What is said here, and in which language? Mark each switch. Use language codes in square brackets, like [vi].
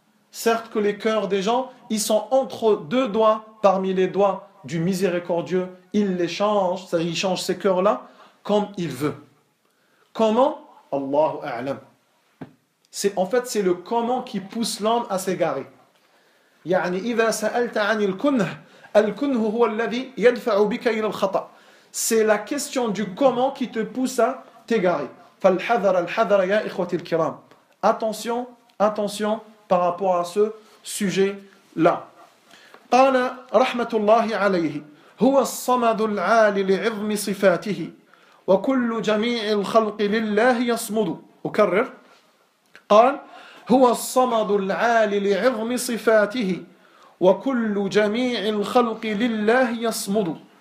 [fr] Certes que les cœurs des gens, ils sont entre deux doigts, parmi les doigts du miséricordieux, il les change, c'est-à-dire il change ces cœurs-là comme il veut. Comment? [ar] Allahu a'lam. [fr] C'est en fait c'est le comment qui pousse l'homme à s'égarer. [ar] يعني إذا سألت عن الكنه الكنه هو الذي يدفع بك إلى الخطأ. [fr] C'est la question du comment qui te pousse à t'égarer. [ar] فالحذر الحذر يا إخوتي الكرام. [fr] Attention, attention par rapport à ce sujet-là. [ar] قال رحمة الله عليه هو الصمد العالي لعظم صفاته وكل جميع الخلق لله يصمد. أكرر. قال هو الصمد العالي لعظم صفاته وكل جميع الخلق لله يصمد.